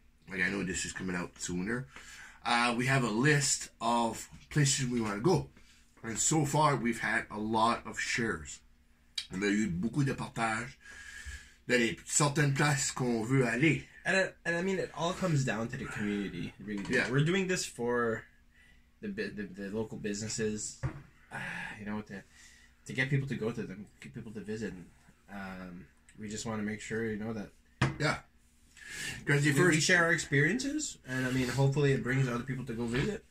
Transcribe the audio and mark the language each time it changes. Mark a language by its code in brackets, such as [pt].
[en] Like, I know this is coming out sooner. We have a list of places we want to go. And so far, we've had a lot of shares. [fr] On a eu beaucoup de partage dans certaines places qu'on veut aller. [en] And I mean, it all comes down to the community. We're doing this for the local businesses, to get people to go to them, get people to visit. We just want to make sure that. Yeah. Because we share our experiences, and I mean, hopefully, it brings other people to go visit.